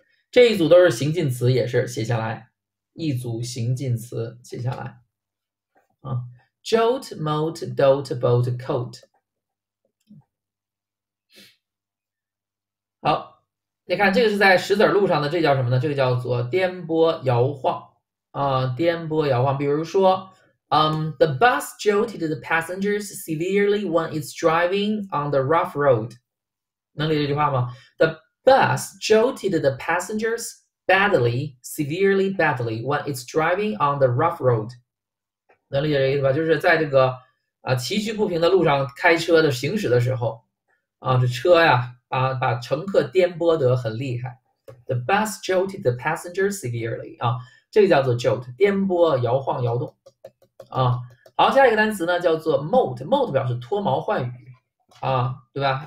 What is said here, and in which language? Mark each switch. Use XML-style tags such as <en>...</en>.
<zh>这一组都是行进词，也是写下来一组行进词，写下来啊，</zh> <en>jolt, molt, dolt, bolt, colt。</en> <zh>好，你看这个是在石子路上的，这叫什么呢？这个叫做颠簸摇晃。颠簸摇晃，比如说，</zh> <en>the bus jolted the passengers severely when it's driving on the rough road。</en> <zh>能理解这句话吗？</zh> <en>The bus jolted the passengers badly, severely badly when it's driving on the rough road。</en> <zh>能理解这意思吧？就是在这个崎岖不平的路上开车的行驶的时候，这车呀，把乘客颠簸得很厉害。</zh> <en>The bus jolted the passengers severely。</en> <zh>这个叫做 jolt，颠簸、摇晃、摇动，啊，好，下一个单词呢叫做 molt，molt 表示脱毛换羽，啊，对吧？</zh>